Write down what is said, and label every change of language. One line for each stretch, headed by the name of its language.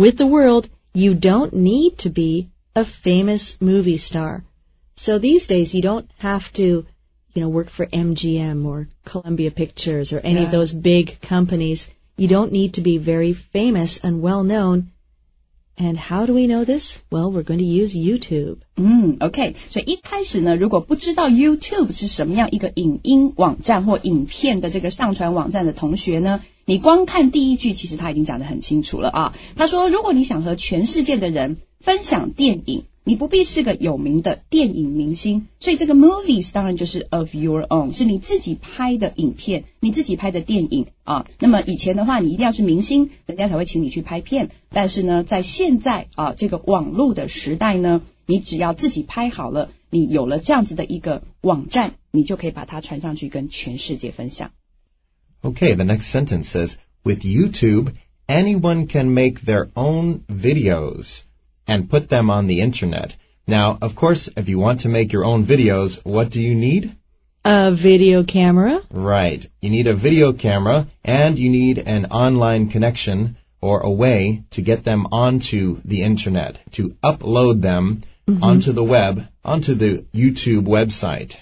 English: With the world, you don't need to be a famous movie star. So these days, you don't have to, you know, work for MGM or Columbia Pictures or any of those big companies. You don't need to be very famous and well-known. And how do we know this? Well, we're going to use YouTube. Okay.
Chinese: 所以一开始呢，如果不知道 YouTube 是什么样一个影音网站或影片的这个上传网站的同学呢，你光看第一句，其实他已经讲得很清楚了啊。他说，如果你想和全世界的人分享电影，你不必是个有名的电影明星，所以这个 movies 当然就是
English: of your own，
Chinese: 是你自己拍的影片，你自己拍的电影啊。那么以前的话，你一定要是明星，人家才会请你去拍片。但是呢，在现在啊，这个网络的时代呢，你只要自己拍好了，你有了这样子的一个网站，你就可以把它传上去跟全世界分享。
English: Okay, the next sentence says, with YouTube, anyone can make their own videos. And put them on the internet. Now, of course, if you want to make your own videos, what do you need? A video camera. Right. You need a video camera, and you need an online connection or a way to get them onto the internet, to upload them onto the web, onto the YouTube website.